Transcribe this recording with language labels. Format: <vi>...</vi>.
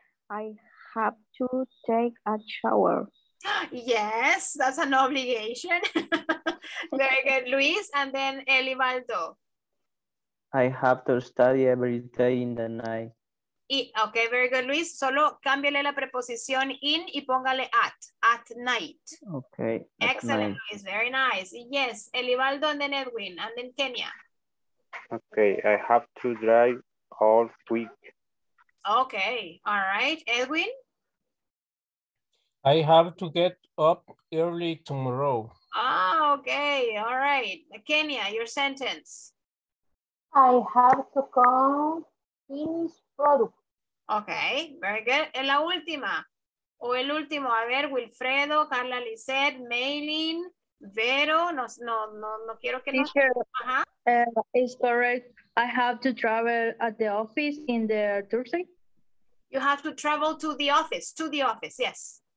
<en>I have to take a shower. Yes, that's an obligation. Very good. Luis and then Elivaldo. I have to study every day in the night. Okay, very good, Luis.</en> <es>Solo cámbiale la preposición in y póngale at night.</es> <en>Okay. Excellent, night. Luis. Very nice. Yes, Elivaldo and then Edwin and then Kenya. Okay, I have to drive all week. Okay, all right. Edwin? I have to get up early tomorrow. Oh, okay, all right. Kenya, your sentence. I have to finish product. Okay, very good.</en> <es>En la última, o el último, a ver, Wilfredo, Carla Lizette, Maylin, Vero, no quiero que</es> <en>teacher, no. It's correct. I have to travel at the office in the Thursday. You have to travel to the office, yes.</en>